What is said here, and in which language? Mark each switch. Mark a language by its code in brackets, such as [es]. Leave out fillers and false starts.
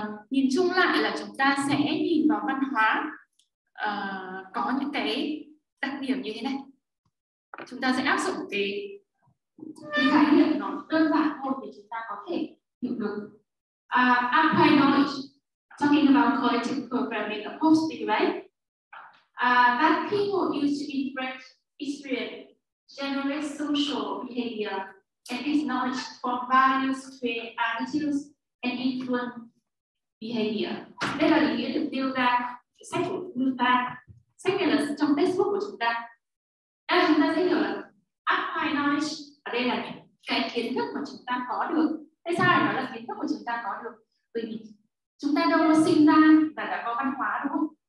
[vi] Nhìn chung lại là chúng ta sẽ nhìn vào văn hóa có những cái đặc điểm như thế này. Chúng ta sẽ áp dụng cái khái niệm nó đơn giản thôi để chúng ta có thể hiểu được. [en] Acquired knowledge, talking about collective programming of hosting, right? That people use to interact, experience, generate social behavior, and this knowledge from values, create attitudes, and influence behavior. [vi] Đây là ý nghĩa được đưa ra sách của chúng ta, sách này là trong textbook của chúng ta. Đây chúng ta sẽ hiểu là acquired knowledge ở đây là cái kiến thức mà chúng ta có được. Tại sao lại nói là kiến thức mà chúng ta có được? Bởi vì chúng ta đâu có sinh ra và đã có văn hóa đúng không?